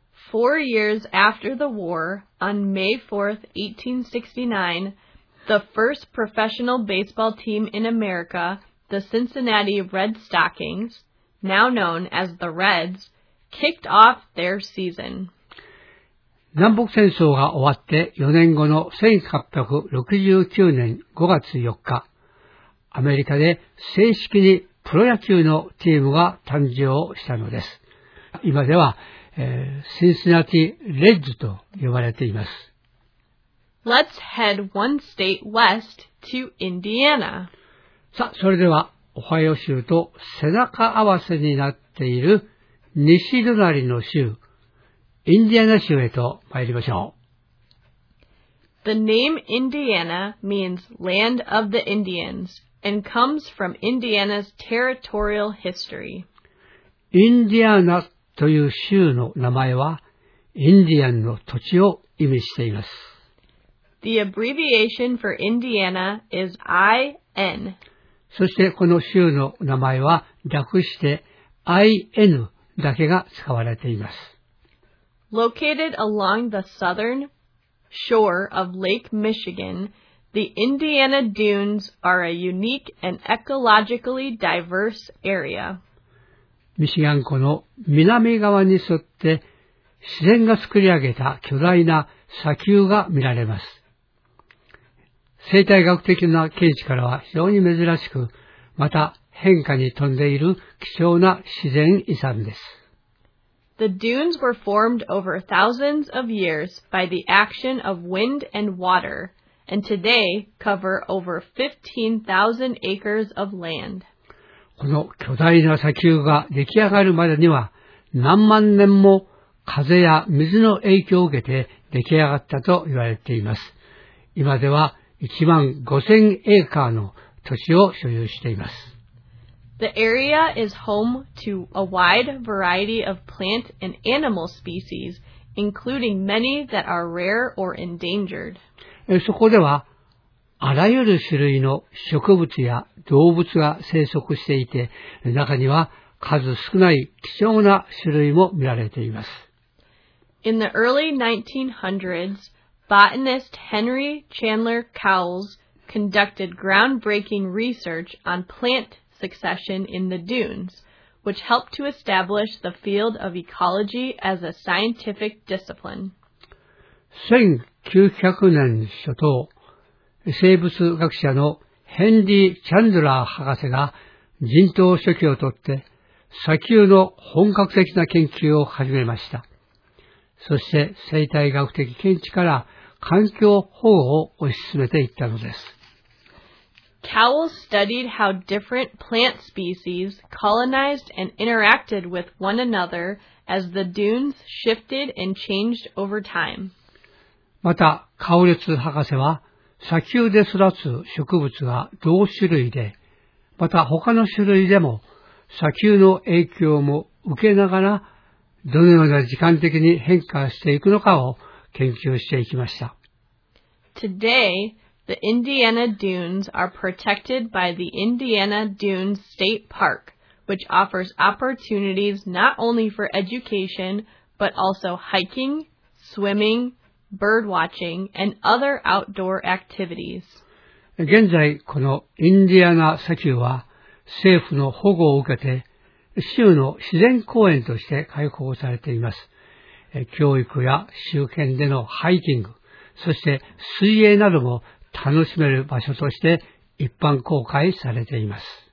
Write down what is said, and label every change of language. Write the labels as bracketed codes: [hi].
[en] Four years after the war, on May 4th, 1869, the first professional baseball team in America, the Cincinnati Red Stockings, now known as the Reds, kicked off their season. [ja] 南北戦争が終わって4年後の1869年5月4日、アメリカで正式にプロ野球のチームが誕生したのです。今では、シンシナティ・レッズと呼ばれています。 [en] Let's head one state west to Indiana. [ja] さあ、それでは、オハイオ州と背中合わせになっている西隣の州、インディアナ州へと参りましょう。 [en] The name Indiana means land of the Indians and comes from Indiana's territorial history. [ja] インディアナという州の名前はインディアンの土地を意味しています。 [en] The abbreviation for Indiana is IN. [ja] そしてこの州の名前は略して IN だけが使われています。 [en] Located along the southern shore of Lake Michigan, the Indiana Dunes are a unique and ecologically diverse area. [ja] ミシガン湖の南側に沿って自然が作り上げた巨大な砂丘が見られます。生態学的な見地からは非常に珍しく、また変化に富んでいる貴重な自然遺産です。 [en] The dunes were formed over thousands of years by the action of wind and water, and today cover over 15,000 acres of land. [ja] この巨大な砂丘が出来上がるまでには何万年も風や水の影響を受けて出来上がったと言われています。今では1万5000エーカーの土地を所有しています。 [en] The area is home to a wide variety of plant and animal species, including many that are rare or endangered. [ja] そこでは、あらゆる種類の植物や動物が生息していて、中には数少ない貴重な種類も見られています。 [en] In the early 1900s, botanist Henry Chandler Cowles conducted groundbreaking research on plant succession in the dunes, which helped to establish the field of ecology as a scientific discipline. [ja] 1900年初頭、生物学者のヘンリー・チャンドラー博士が陣頭指揮をとって砂丘の本格的な研究を始めました。そして生態学的見地から環境保護を推し進めていったのです。 [en] Cowles studied how different plant species colonized and interacted with one another as the dunes shifted and changed over time. [ja] また、カウレツ博士は砂丘で育つ植物が同種類で、また他の種類でも砂丘の影響も受けながらどのような時間的に変化していくのかを研究していきました。 [en] Today, the Indiana Dunes are protected by the Indiana Dunes State Park, which offers opportunities not only for education, but also hiking, swimming, bird watching, and other outdoor activities. [ja] 現在、このインディアナ砂丘は政府の保護を受けて、州の自然公園として開放されています。教育や周辺でのハイキング、そして水泳なども楽しめる場所として一般公開されています。